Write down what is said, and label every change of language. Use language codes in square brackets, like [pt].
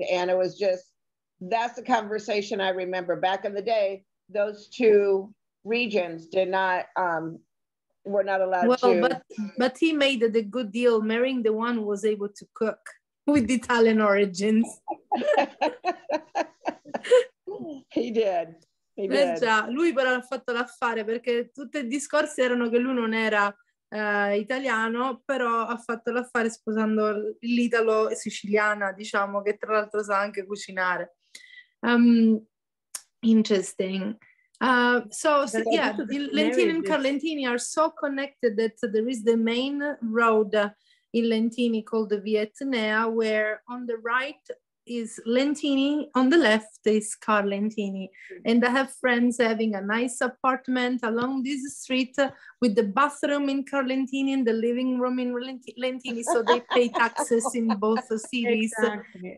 [en] And it was just, that's the conversation I remember. Back in the day, those two regions did not... we're not allowed to. But he made the good deal marrying the one who was able to cook with Italian origins. He did. [it] Già, lui però ha fatto l'affare, perché tutti i discorsi erano che lui non era italiano, però ha fatto l'affare sposando l'italo siciliana, diciamo, che tra l'altro sa anche cucinare. [en] Interesting. So Lentini and Carlentini are so connected that there is the main road in Lentini called the Via Etnea, where on the right is Lentini, on the left is Carlentini. And I have friends having a nice apartment along this street with the bathroom in Carlentini and the living room in Lentini, so they pay taxes in both the cities. Exactly.